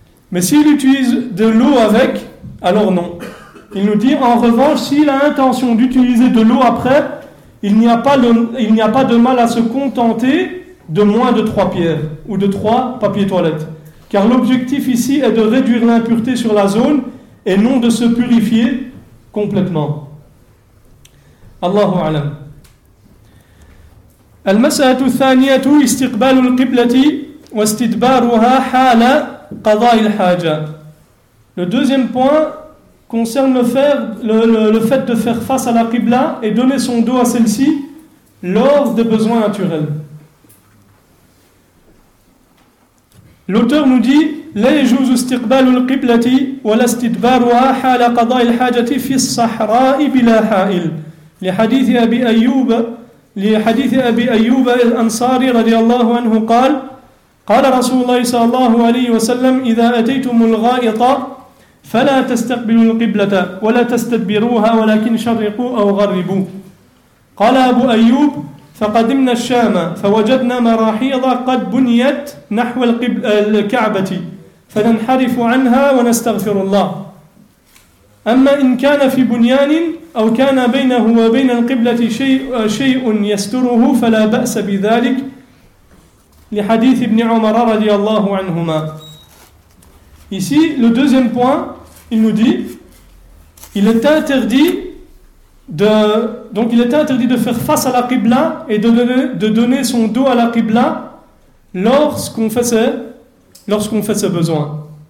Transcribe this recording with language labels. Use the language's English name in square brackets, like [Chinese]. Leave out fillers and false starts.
[French] Mais s'il utilise de l'eau avec, alors non. Il nous dit, en revanche, s'il a intention d'utiliser de l'eau après, il n'y a pas de mal à se contenter de moins de trois pierres ou de trois papiers toilettes. Car l'objectif ici est de réduire l'impureté sur la zone et non de se purifier complètement. [Arabic] Allahu alam. المسألة الثانية استقبال القبلة واستدبارها حال قضاء الحاجة. [French] Le deuxième point concerne le fait de faire face à la Qibla et donner son dos à celle-ci lors des besoins naturels. L'auteur nous dit: [Arabic] لا يجوز استقبال القبلة ولا استدبارها حال قضاء الحاجة في الصحراء بلا حائل. لحديث أبي أيوب لحديث أبي أيوب الأنصاري رضي الله عنه قال: قال رسول الله صلى الله عليه وسلم: إذا أتيتم الغائط فلا تستقبلوا القبلة ولا تستدبروها ولكن شرقوا أو غربوا. قال أبو أيوب: فقدمنا الشام فوجدنا مراحيض قد بنيت نحو الكعبة فننحرف عنها ونستغفر الله. أما إن كان في بنيان أو كان بينه وبين القبلة شيء يستره فلا بأس بذلك. لحديث ابن عمر رضي الله عنهما. [French] Ici, le deuxième point, il nous dit, il est interdit de faire face à la Qibla et de donner son dos à la Qibla lorsqu'on fait ses besoins.